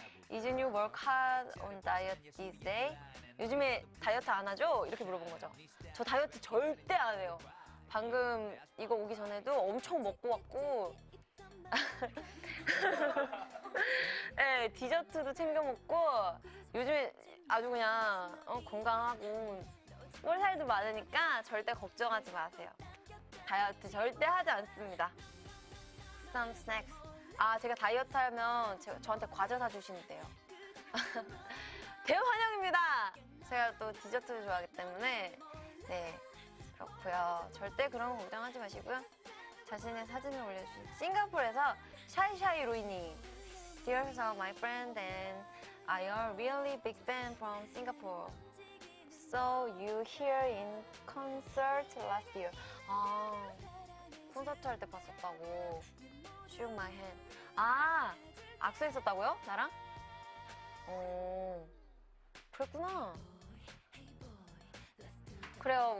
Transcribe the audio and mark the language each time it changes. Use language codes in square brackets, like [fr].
[en] Isn't you work hard on diet these days? [ko] 요즘에 다이어트 안 하죠? 이렇게 물어본 거죠. 저 다이어트 절대 안 해요. 방금 이거 오기 전에도 엄청 먹고 왔고 네, 디저트도 챙겨 먹고 요즘에 아주 그냥 건강하고 볼살도 많으니까 절대 걱정하지 마세요. 다이어트 절대 하지 않습니다. [en] Some snacks. [ko] 아, 제가 다이어트 하면 저한테 과자 사주신대요. 대환영입니다. 제가 또 디저트 좋아하기 때문에 네 그렇고요. 절대 그런 거 걱정하지 마시고요. 자신의 사진을 올려주신 싱가포르에서 샤이샤이 로이님. [en] Dear so my friend and I are really big fan from Singapore. So you here in concert last year. [ko] 아, 콘서트 할 때 봤었다고. [en] Shook my hand. [ko] 아, 악수했었다고요? 나랑? 오, 그랬구나. 그래요.